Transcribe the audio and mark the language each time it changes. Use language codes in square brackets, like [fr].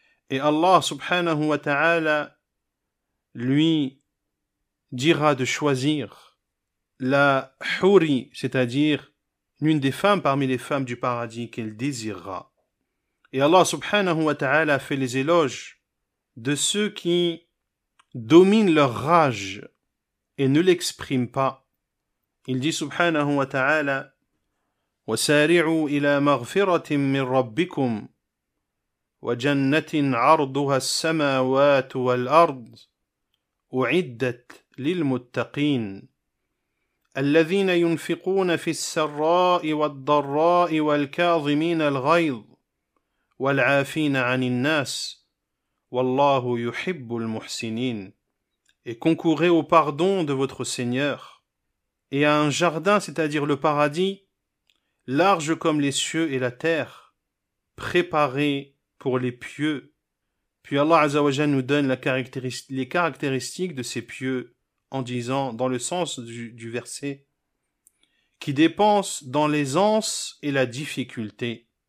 [fr] Et Allah subhanahu wa ta'ala lui dira de choisir la houri, c'est-à-dire l'une des femmes parmi les femmes du paradis qu'il désirera. Et Allah subhanahu wa ta'ala fait les éloges de ceux qui dominent leur rage et ne l'expriment pas. Il dit [ar] subhanahu wa ta'ala وَسَارِعُوا إِلَى مَغْفِرَةٍ مِّن رَبِّكُمْ وَجَنَّةٍ عَرْضُهَا السَّمَاوَاتُ وَالْأَرْضُ أُعِدَّتْ لِلْمُتَّقِينَ الَّذِينَ يُنْفِقُونَ فِي السَّرَّاءِ وَالضَّرَّاءِ وَالْكَاظِمِينَ الْغَيْظِ وَالْعَافِينَ عَنِ النَّاسِ وَاللَّهُ يُحِبُّ الْمُحْسِنِينَ. [fr] Et concourez au pardon de votre Seigneur et à un jardin, c'est-à-dire le paradis, large comme les cieux et la terre, préparé pour les pieux. Puis Allah Azzawajal nous donne les caractéristiques de ces pieux en disant, dans le sens du verset, qui dépensent dans l'aisance et la difficulté,